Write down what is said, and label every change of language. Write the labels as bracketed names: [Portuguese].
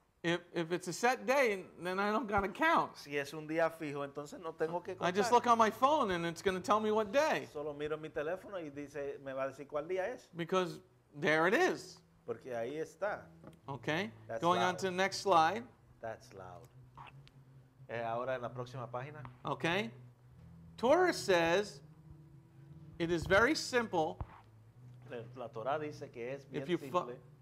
[English] If it's a set day, then I don't gotta count. [Spanish] Si es un día fijo, entonces no tengo que contar. [English] I just look on my phone and it's gonna tell me what day. [Spanish] Solo miro mi teléfono y dice, me va a decir cuál día es. [English] Because there it is. [Spanish] Porque ahí está. [English] Okay. That's going loud. On to the next slide. That's loud. [Spanish] Ahora en la próxima página. [English] Okay. Torah says it is very simple. [Spanish] La Torah dice que es bien simple.